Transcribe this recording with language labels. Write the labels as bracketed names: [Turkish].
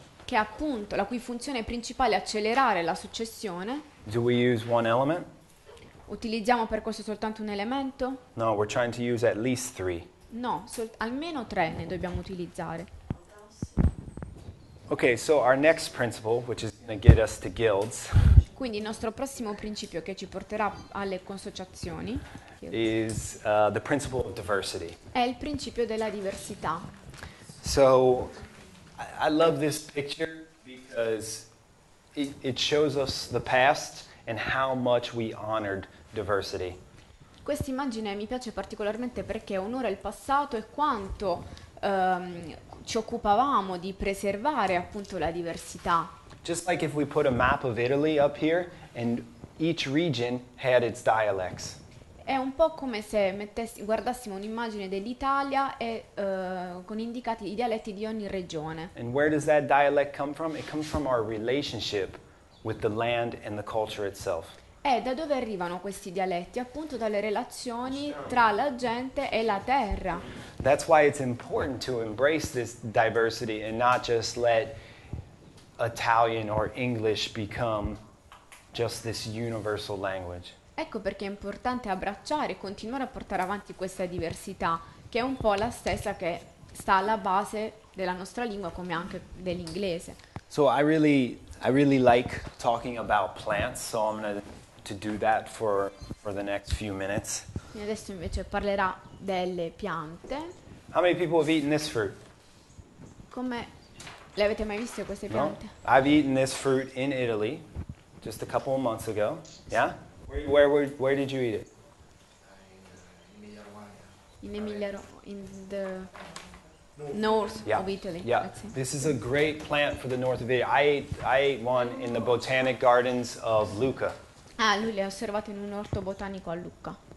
[Italian] che appunto la cui funzione principale è accelerare la successione, [English] do we use one element? [Italian] Utilizziamo per questo soltanto un elemento? [English] No, we're trying to use at least three. [Italian] No, almeno tre ne dobbiamo utilizzare. [English] Okay, so our next principle, which is going to get us to guilds. [Italian] Quindi il nostro prossimo principio che ci porterà alle consociazioni [English] is the principle of diversity. [Italian] È il principio della diversità. [English] So I love this picture because it shows us the past and how much we honored diversity. [Italian] Questa immagine mi piace particolarmente perché onora il passato e quanto ci occupavamo di preservare appunto la diversità. [English] Just like if we put a map of Italy up here and each region had its dialects. [Italian] È un po' come se guardassimo un'immagine dell'Italia e con indicati i dialetti di ogni regione. [English] And where does that dialect come from? It comes from our relationship with the land and the culture itself. [Italian] E da dove arrivano questi dialetti? Appunto dalle relazioni tra la gente e la terra. [English] That's why it's important to embrace this diversity and not just let Italian or English become just this universal language. [Italian] Ecco perché è importante abbracciare e continuare a portare avanti questa diversità, che è un po' la stessa che sta alla base della nostra lingua, come anche dell'inglese. [English] So I really like talking about plants, so I'm going to do that for the next few minutes. [Italian] E adesso invece parlerà delle piante. [English] How many people have eaten this fruit? [Italian] Come le avete mai viste queste piante? [English] No. I've eaten this fruit in Italy just a couple of months ago. Yeah? Where did you eat it? In Emilia Romagna. In the north yeah. of Italy. Yeah. This is a great plant for the north of Italy. I ate one in the botanic gardens of Lucca. [Italian] Ah, lui l'ha osservato in un orto botanico a Lucca.